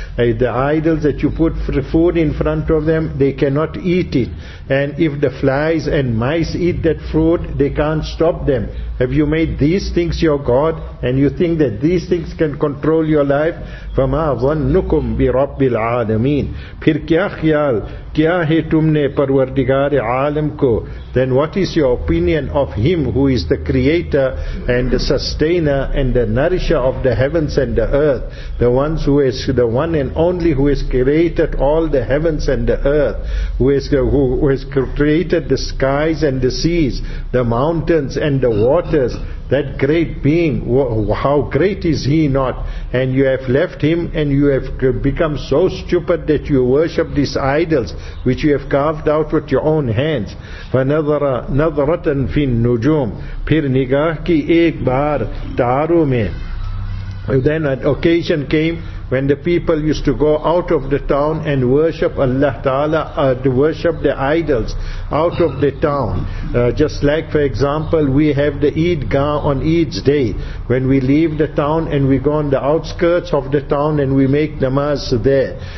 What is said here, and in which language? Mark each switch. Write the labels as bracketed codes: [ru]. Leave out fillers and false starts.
[en] The idols that you put food in front of them, they cannot eat it. And if the flies and mice eat that fruit, they can't stop them. Have you made these things your God? And you think that these things can control your life? [ar] فَمَا ظَنُّكُمْ بِرَبِّ الْعَالَمِينَ. [ur] پھر کیا خیال کیا ہے تم نے پروردگار عالم کو. [en] Then what is your opinion of him who is the creator and the sustainer and the nourisher of the heavens and the earth, the ones who is the one and only who has created all the heavens and the earth, who has created the skies and the seas, the mountains and the waters, that great being, how great is he not? And you have left him and you have become so stupid that you worship these idols which you have carved out with your own hands. [ar] فَنَظَرَ نَظَرَةً فِي النُّجُومِ. [ur] پھر نگاہ کی ایک بار تاروں میں. [en] Then an occasion came when the people used to go out of the town and worship Allah Ta'ala, to worship the idols out of the town. Just like, for example, we have the Eidgah on Eid's day. When we leave the town and we go on the outskirts of the town and we make namaz there.